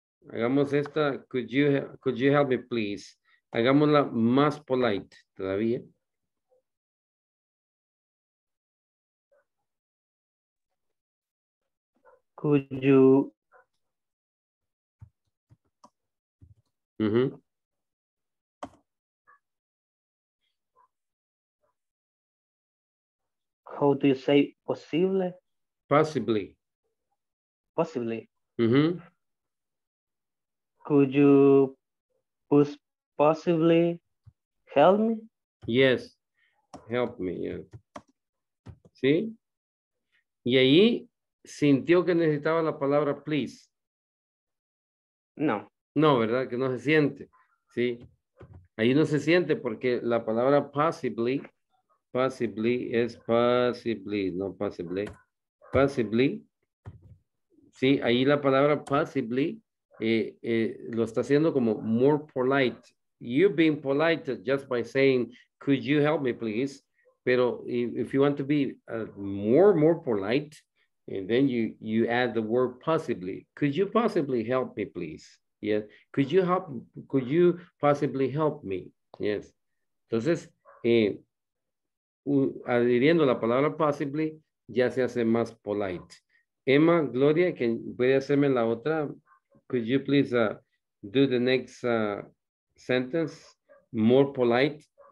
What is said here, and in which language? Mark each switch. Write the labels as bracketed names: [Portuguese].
[Spanish] Hagamos esta, [English] could you help me please? [Spanish] Hagámosla más polite todavía. [English] Could you? Mm-hmm. How do you say possible? Possibly. Possibly. Mm-hmm. Could you possibly help me? Yes. Help me, yeah. [Spanish] ¿Sí? Y ahí sintió que necesitaba la palabra please. No. No, ¿verdad? Que no se siente. Sí. Ahí no se siente porque la palabra possibly es possibly, no possibly. Possibly. Sí, ahí la palabra possibly lo está haciendo como [English] more polite. You've been polite just by saying, could you help me please? [Spanish] Pero [English] if you want to be more polite, and then you add the word possibly. Could you possibly help me please? Yes. Could you possibly help me? Yes. [Spanish] Entonces, adhiriendo la palabra possibly, ya se hace más polite. Emma, Gloria, ¿quién puede hacerme la otra? [English] Could you please do the next sentence more polite?